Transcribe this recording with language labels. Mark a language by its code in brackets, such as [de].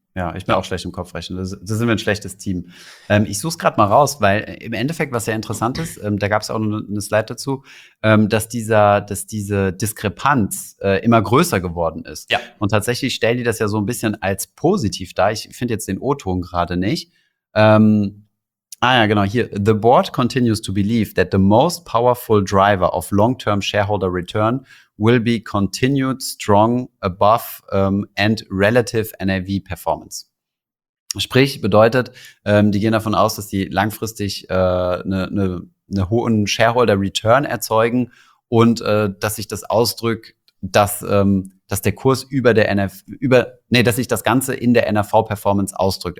[de] Ja, ich bin auch schlecht im Kopf rechnen. Da sind wir ein schlechtes Team. Ich suche es gerade mal raus, weil im Endeffekt, was sehr interessant ist, da gab es auch noch eine Slide dazu, dass diese Diskrepanz immer größer geworden ist. Ja. Und tatsächlich stellen die das ja so ein bisschen als positiv dar. Ich finde jetzt den O-Ton gerade nicht. Hier. [en] The board continues to believe that the most powerful driver of long-term shareholder return will be continued strong above and relative NAV performance. [de] Sprich, bedeutet, die gehen davon aus, dass die langfristig eine hohen shareholder return erzeugen und dass sich das ausdrückt, dass der Kurs dass sich das Ganze in der NAV-Performance ausdrückt.